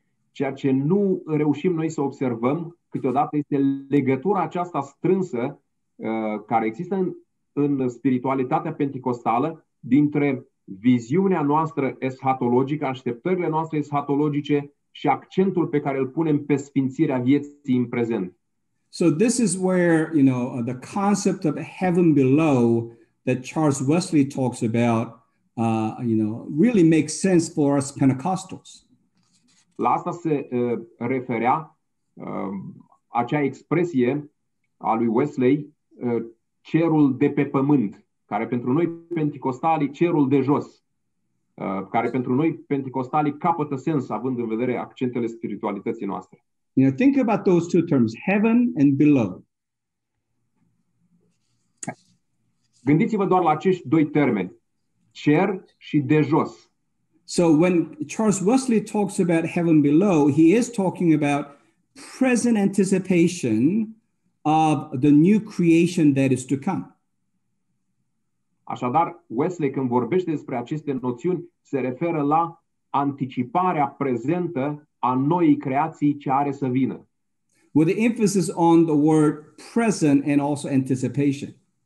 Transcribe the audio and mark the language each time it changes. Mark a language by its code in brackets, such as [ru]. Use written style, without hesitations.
[ro] Ceea ce nu reușim noi să observăm câteodată este legătura aceasta strânsă care există în spiritualitatea penticostală dintre viziunea noastră eschatologică, așteptările noastre eschatologice și accentul pe care îl punem pe sfințirea vieții în prezent. [en] So this is where, you know, the concept of heaven below that Charles Wesley talks about, really makes sense for us Pentecostals. [ro] La asta se referea acea expresie a lui Wesley, cerul de pe pământ, care pentru noi penticostalii cerul de jos, care pentru noi penticostalii capătă sens având în vedere accentele spiritualității noastre. [en] You know, think about those two terms, heaven and below. [ro] Gândiți-vă doar la acești doi termeni, cer și de jos. [en] So when Charles Wesley talks about heaven below, he is talking about present anticipation of the new creation that is to come. [ro] Așadar, Wesley, când vorbește despre aceste noțiuni, se referă la anticiparea prezentă a noii creații ce are să vină. [en] With the emphasis on the word present and also anticipation.